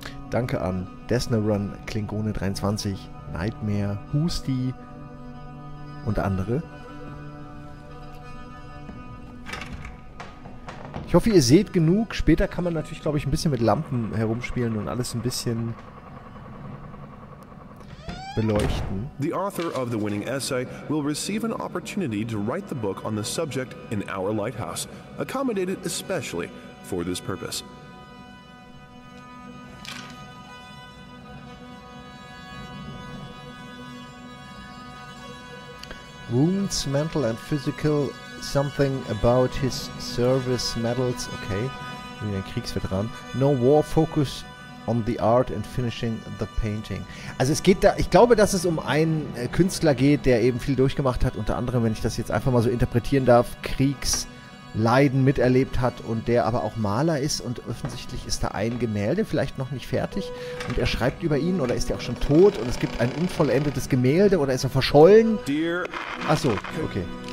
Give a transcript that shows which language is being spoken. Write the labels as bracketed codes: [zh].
[de] Danke an Desnerun, Klingone 23, Nightmare, Husti und andere. Ich hoffe, ihr seht genug. Später kann man natürlich, glaube ich, ein bisschen mit Lampen herumspielen und alles ein bisschen beleuchten. [en] The author of the winning essay will receive an opportunity to write the book on the subject in our lighthouse, accommodated especially for this purpose. Wounds, mental and physical, something about his service medals, okay, [de] wie ein Kriegsveteran. [en] No war, focus on the art and finishing the painting. [de] Also es geht da, ich glaube, dass es um einen Künstler geht, der eben viel durchgemacht hat, unter anderem, wenn ich das jetzt einfach mal so interpretieren darf, Kriegsleiden miterlebt hat und der aber auch Maler ist und offensichtlich ist da ein Gemälde vielleicht noch nicht fertig und er schreibt über ihn oder ist er auch schon tot und es gibt ein unvollendetes Gemälde oder ist er verschollen? Achso, okay.